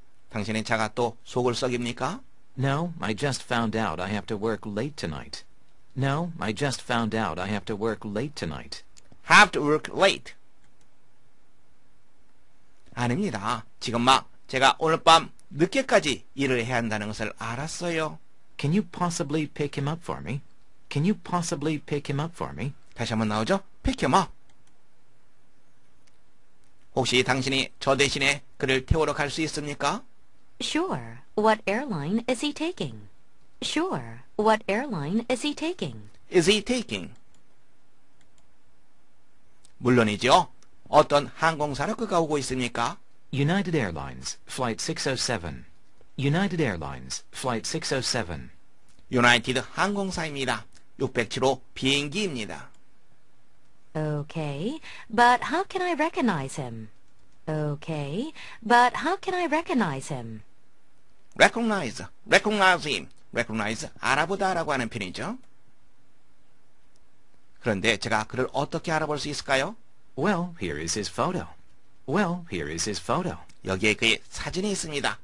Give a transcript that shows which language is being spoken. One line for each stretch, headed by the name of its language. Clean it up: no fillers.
Korean: 당신의 차가 또 속을 썩입니까?
English: No, I just found out I have to work late tonight. No, I just found out I have to work late tonight. Have to work late.
Korean: 아닙니다. 지금 막 제가 오늘 밤 늦게까지 일을 해야 한다는 것을 알았어요.
English: Can you possibly pick him up for me? Can you possibly pick him up for me?
Korean: 다시 한번 나오죠?
English: Pick him up.
Korean: 혹시 당신이 저 대신에 그를 태우러 갈 수 있습니까?
English: Sure. What airline is he taking? Sure. What airline is he taking? Is he taking?
Korean: 물론이죠. 어떤 항공사로 그가 오고 있습니까?
English: United Airlines, Flight 607. United Airlines, Flight 607.
Korean: United 항공사입니다. 607호 비행기입니다.
English: Okay, but how can I recognize him? Okay, but how can I recognize him? Recognize, recognize him. Recognize,
Korean: 알아보다라고 하는 편이죠. 그런데 제가 그를 어떻게 알아볼 수 있을까요?
English: Well, here is his photo. Well, here is his photo.
Korean: 여기에 그의 사진이 있습니다.